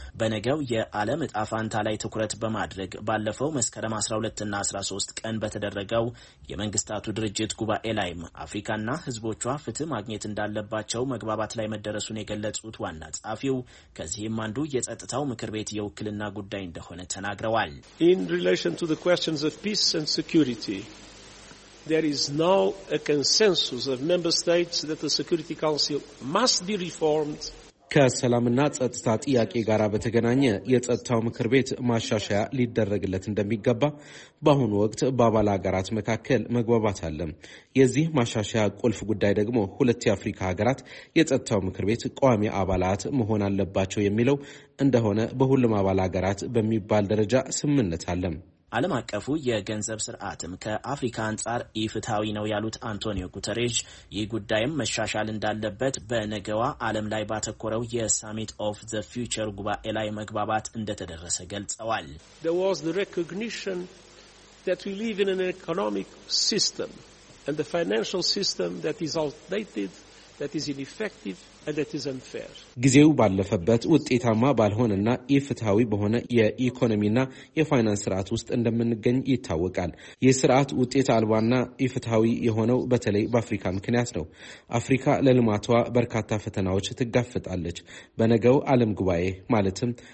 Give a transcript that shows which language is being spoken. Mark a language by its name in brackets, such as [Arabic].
[Amharic] በነገው የዓለም እጣ ፈንታ ላይ ትኩረት በማድረግ ባለፈው መስከረም 12ና 13 ቀን በተደረገው የመንግስታቱ ድርጅት ጉባኤ ላይም አፍሪካና ህዝቦቿ ፍትህ ማግኘት እንዳለባቸው መግባባት ላይ መደረሱን የገለጹት ዋና ጸሐፊው ከዚህም አንዱ የጸጥታው ምክር ቤት የውክልና ጉዳይ እንደሆነ ተናግረዋል። [English] In relation to the questions of peace and security, there is now a consensus of member states that the Security Council must be reformed. [Amharic] ከሰላምና ጸጥታ ጥያቄ ጋር በተገናኘ የጸጥታው ምክር ቤት ማሻሻያ ሊደረግለት እንደሚገባ በአሁኑ ወቅት በአባል ሀገራት መካከል መግባባት አለ። የዚህ ማሻሻያ ቁልፍ ጉዳይ ደግሞ ሁለት የአፍሪካ ሀገራት የጸጥታው ምክር ቤት ቋሚ አባላት መሆን አለባቸው የሚለው እንደሆነ በሁሉም አባል ሀገራት በሚባል ደረጃ ስምምነት አለ። ዓለም አቀፉ የገንዘብ ስርዓትም ከአፍሪካ አንጻር ኢፍትሃዊ ነው ያሉት አንቶኒዮ ጉተሬሽ ይህ ጉዳይም መሻሻል እንዳለበት በነገዋ ዓለም ላይ ባተኮረው የሳሚት ኦፍ ዘ ፊውቸር ጉባኤ ላይ መግባባት እንደተደረሰ ገልጸዋል። [English] There was the recognition that we live in an economic system and the financial system that is outdated, that is ineffective. [Amharic] ጊዜው ባለፈበት ውጤታማ ባልሆነና ኢፍትሃዊ በሆነ የኢኮኖሚና የፋይናንስ ስርዓት ውስጥ እንደምንገኝ ይታወቃል። ይህ ስርዓት ውጤት አልባና ኢፍትሃዊ የሆነው በተለይ በአፍሪካ ምክንያት ነው። አፍሪካ ለልማቷ በርካታ ፈተናዎች ትጋፈጣለች። በነገው ዓለም ጉባኤ ማለትም